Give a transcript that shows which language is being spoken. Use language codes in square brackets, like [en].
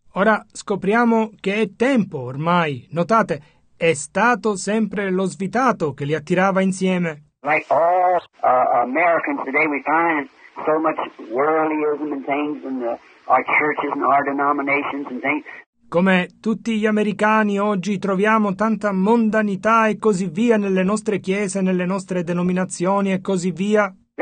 [it] Ora scopriamo che è tempo ormai, notate, è stato sempre lo svitato che li attirava insieme. [en] Like all Americans today, we find so much worldlyism and things in our churches and our denominations and things. [it] Come tutti gli americani oggi troviamo tanta mondanità e così via nelle nostre chiese, nelle nostre denominazioni e così via.